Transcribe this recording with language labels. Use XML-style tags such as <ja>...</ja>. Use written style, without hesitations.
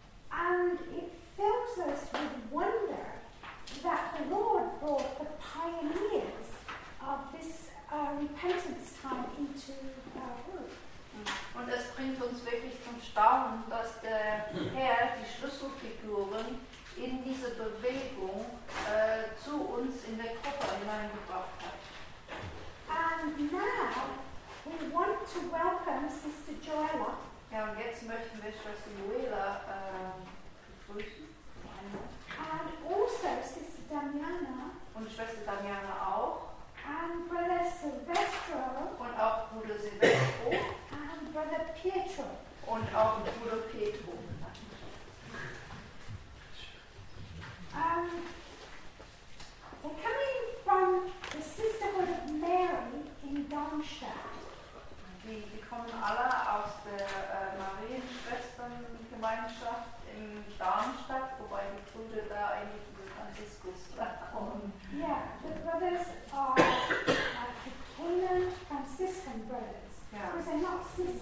<en>And it fills us with wonder that the Lord brought the pioneers of this repentance time into our group.</en> <de>Und es bringt uns wirklich zum Staunen, dass der Herr die Schlüsselfiguren in diese Bewegung zu uns in der Gruppe hineingebracht hat.</de> <en>And now we want to welcome Sister Joela.</en> <de>Ja, und jetzt möchten wir Schwester Joela begrüßen.</de> <en>And also Sister Damiana.</en> <de>Und Schwester Damiana auch.</de> <en>And Brother Silvestro.</en> <de>Und auch Bruder Silvestro.</de> <en>Brother Pietro.</en> <de>Und auch Bruder Pietro.</de> <en>They're coming from the Sisterhood of Mary in Darmstadt.</en> <de>Die kommen alle aus der Marienschwestern-Gemeinschaft in Darmstadt, wobei die Brüder da eigentlich in Franziskus kommen.</de> <en>Yeah, the brothers are Capuchin Franciscan brothers.</en>